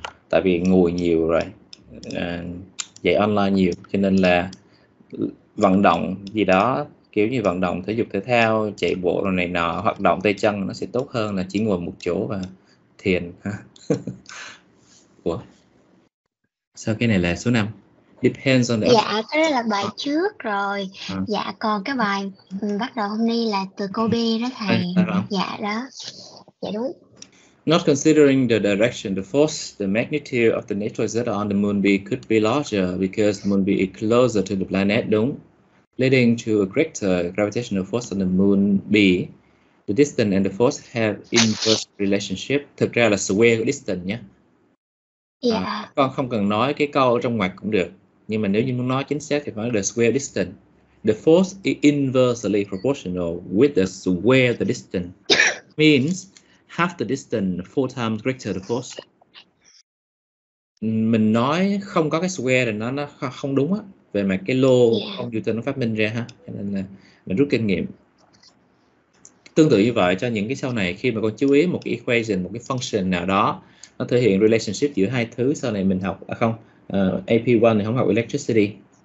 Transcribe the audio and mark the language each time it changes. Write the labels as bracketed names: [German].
[Vietnamese] Tại vì ngồi nhiều rồi. À, dạy online nhiều cho nên là vận động gì đó kiểu như vận động thể dục thể thao chạy bộ rồi này nọ hoạt động tay chân nó sẽ tốt hơn là chỉ ngồi một chỗ và thiền ha. Ủa sao cái này là số 5? [English] Depends [Vietnamese] Dạ, cái đó là bài trước rồi. [English] on [Vietnamese] Dạ, còn cái bài mình bắt đầu hôm nay là từ cô B đó à. thầy. À, không. Dạ đó. Dạ đúng. [English] Not considering the direction, the force, the magnitude of the net force on the moon B could be larger because the moon B is closer to the planet, [Vietnamese] đúng. [English] Leading to a greater gravitational force on the moon B. The distance and the force have inverse relationship. [Vietnamese] Thực ra là square của distance nhé. À, Dạ. con không cần nói cái câu ở trong ngoặc cũng được. Nhưng mà nếu như muốn nói chính xác thì phải là square distance. [English] The force is inversely proportional with the square the distance. Means half the distance, four times greater the force. [Vietnamese] Mình nói không có cái square thì nó không đúng á. Về mặt cái lô ông Newton nó phát minh ra ha, nên là mình rút kinh nghiệm tương tự như vậy cho những cái sau này khi mà con chú ý một cái equation, một cái function nào đó nó thể hiện relationship giữa hai thứ sau này mình học, à không, AP1 thì không học electricity,